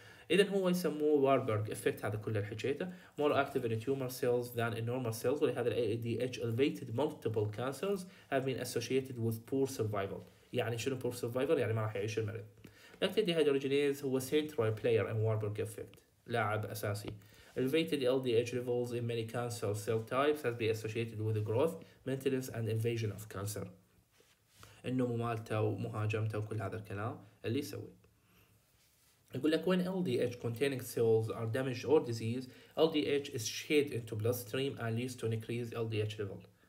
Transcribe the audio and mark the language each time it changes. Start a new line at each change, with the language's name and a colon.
Arabic: اذا هو يسموه
English: Warburg effect,
Arabic: هذا كله حكيته،
English: More active in tumour cells than in normal cells, ولهذا ال AADH elevated multiple cancers have been associated with poor survival.
Arabic: يعني شنو
English: poor survival؟
Arabic: يعني ما راح يعيش المريض. لكن دي هيدروجينيز هو
English: central player in Warburg effect,
Arabic: لاعب اساسي.
English: Elevated LDH levels in many cancer cell types has been associated with growth, maintenance and invasion of cancer.
Arabic: النمو مالته ومهاجمته وكل هذا الكلام اللي يسوي. يقول لك
English: when LDH containing cells are damaged or diseased, LDH is shed into bloodstream and leads to an increased LDH level.